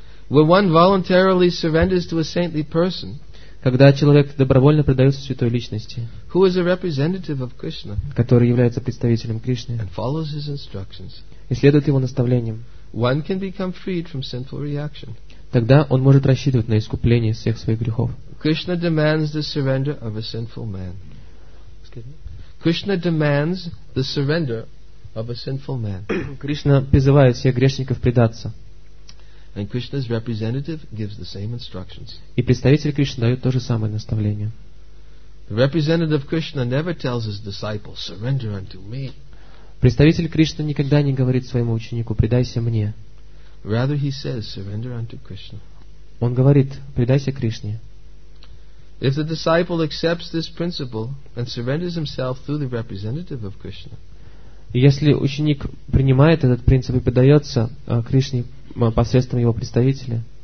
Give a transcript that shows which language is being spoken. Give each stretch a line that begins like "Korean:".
English: When one voluntarily surrenders to a saintly person,
Russian: когда человек добровольно предается святой личности,
English: who is a representative of Krishna,
Russian: который является представителем Кришны,
English: and follows his instructions,
Russian: и следует его наставлениям,
English: one can become freed from sinful reaction.
Russian: Тогда он может рассчитывать на искупление всех своих грехов.
English: Krishna demands the surrender of a sinful man. Krishna demands the surrender of a sinful man.
Russian: Кришна призывает всех грешников предаться.
English: And Krishna's representative gives the same instructions.
Russian: И представитель Кришны дает то же самое наставление.
English: The representative of Krishna never tells his disciple, surrender unto me.
Russian: Представитель Кришны никогда не говорит своему ученику, предайся мне.
English: Rather he says, surrender unto Krishna.
Russian: Он говорит, предайся Кришне.
English: If the disciple accepts this principle and surrenders himself through the representative of Krishna,
Russian: если ученик принимает этот принцип и предается Кришне посредством его представителя,